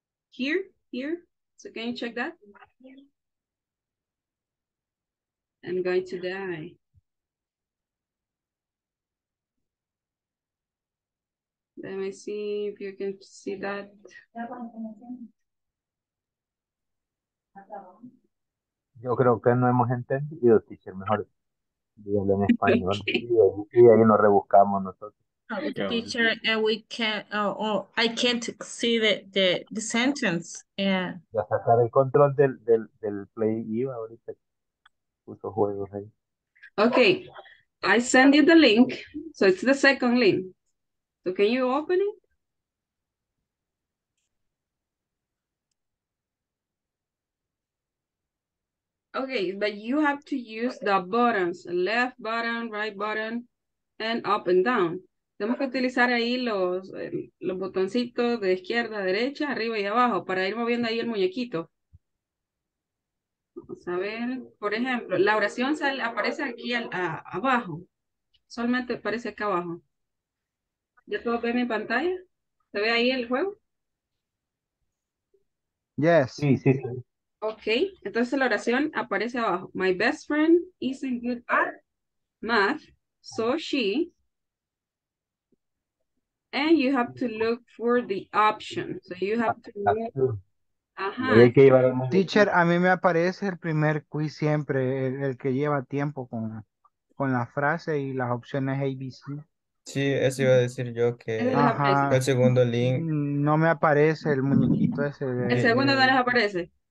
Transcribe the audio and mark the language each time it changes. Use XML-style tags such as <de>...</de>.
<en>Here, here. So can you check that? I'm going to die. Let me see if you can see that.</en> <es>Yo creo que no hemos entendido, teacher, mejor. En español. Okay. Y ahí nos rebuscamos nosotros.</es> <en>Teacher, and we can't, I can't see the sentence. Yeah.</en> <es>Ya sacar el control del Play View ahorita. Puso juegos ahí.</es> <en>Okay, I send you the link. So it's the second link. So can you open it? Okay, but you have to use the buttons, left button, right button, and up and down.</en> <es>Tenemos que utilizar ahí los botoncitos de izquierda, derecha, arriba y abajo para ir moviendo ahí el muñequito. Vamos a ver, por ejemplo, la oración aparece aquí abajo. Solamente aparece acá abajo. ¿Ya todos ven en pantalla? ¿Se ve ahí el juego?</es> <en>Yes.</en> <es>Sí, sí, sí.</es> <en>Okay,</en> <es>entonces la oración aparece abajo.</es> <en>My best friend isn't good at math, so she. And you have to look for the option. So you have to look. Ajá.</en> <es>Teacher, a mí me aparece el primer quiz siempre, el que lleva tiempo con la frase y las opciones ABC. Sí, eso iba a decir yo, que ajá, fue el segundo link. No me aparece el muñequito ese. De... ¿El segundo no les aparece?</es>